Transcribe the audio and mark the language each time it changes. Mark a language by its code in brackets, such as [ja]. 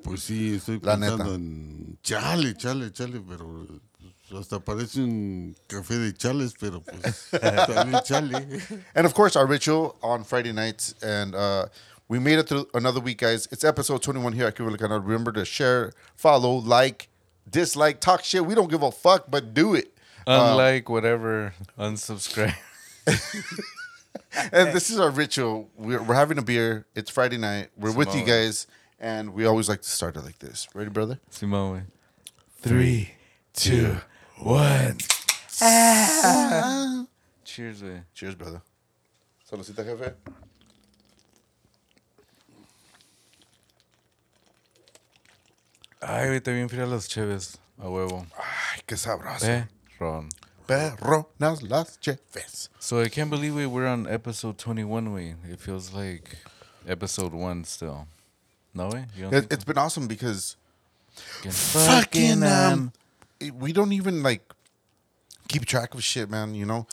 [es] Pues sí, estoy pensando en chale, pero hasta parece un café de chales, pero pues también chale. [en] And of course, our ritual on Friday nights and we made it through another week, guys. It's episode 21 here at Que Hable Carnal. Remember to share, follow, like, dislike, talk shit. We don't give a fuck, but do it. Unlike whatever, unsubscribe. And this is our ritual. We're having a beer. It's Friday night. We're Simone. With you guys. And we always like to start it like this. Ready, brother? Simone. 3, 2, 1. Cheers, man. Cheers, brother. [es] Salucita, jefe. Ay, ahorita bien fría las cheves, a huevo. Ay, qué sabroso. Perron. Perronas las cheves. [en] So I can't believe we're on episode 21, we. It feels like episode 1 still. No, we? It's been awesome because... Fucking, we don't even, like, keep track of shit, man, you know?